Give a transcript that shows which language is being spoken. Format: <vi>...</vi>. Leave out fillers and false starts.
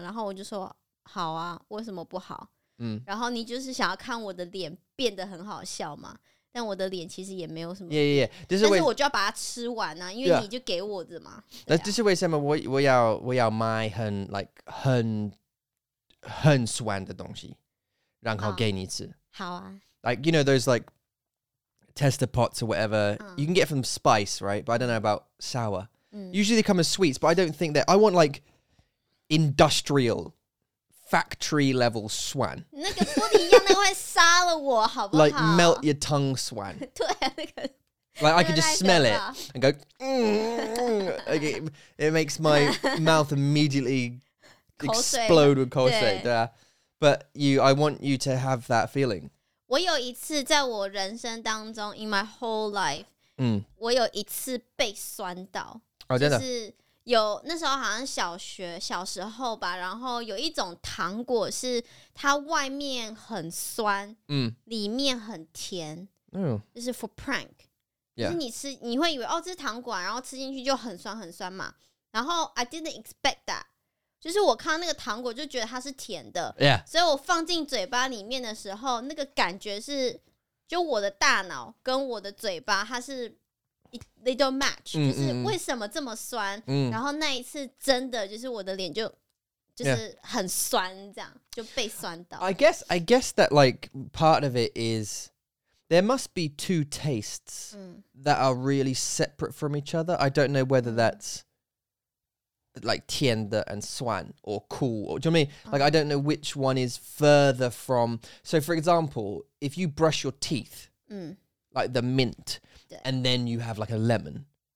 <zh>然后我就说,好啊,为什么不好?然后你就是想要看我的脸变得很好笑嘛但我的脸其实也没有什么</zh> <en>yeah.</en> <zh>但是我就要把它吃完啊因为你就给我的嘛这是为什么我要买很 like 很很酸的东西然后给你吃、 oh, 好啊</zh> <en>like you know those like tester pots or whatever、oh. you can get from spice right but I don't know about sour、mm. usually they come as sweets but I don't think that I want like industrial factory level 酸</en> <zh>那个不一样那会杀了我好不好</zh> <en>like melt your tongue 酸</en> <zh>对、啊、那个</zh> <en>Like, I can just smell it and go, like, it makes my mouth immediately explode with 口水, 对啊。 But you, I want you to have that feeling.</en> <zh>我有一次在我人生当中,</zh> <en>in my whole life,</en> <zh>我有一次被酸到。 Oh, 真的? 就是有,那时候好像小学,小时候吧,然后有一种糖果是它外面很酸,里面很甜。就是</zh> <en>for prank。 Yeah.</en> <zh>就是你吃，你会以为哦，这是糖果、啊，然后吃进去就很酸很酸嘛。然后</zh> <en>I didn't expect that，</en> <zh>就是我看到那个糖果就觉得它是甜的，</zh> <en>yeah.</en> <zh>所以我放进嘴巴里面的时候，那个感觉是，就我的大脑跟我的嘴巴它是</zh> <en>they don't match，</en> <zh>就是为什么这么酸？Mm-hmm. 然后那一次真的就是我的脸就是很酸，这样、yeah. 就被酸到。</zh> <en>I guess that like part of it is. There must be two tastes that are really separate from each other. I don't know whether that's like 甜的 and 酸 or cool. Or, do you know what I mean? Like, I don't know which one is further from... So, for example, if you brush your teeth, like the mint, and then you have like a lemon.</en>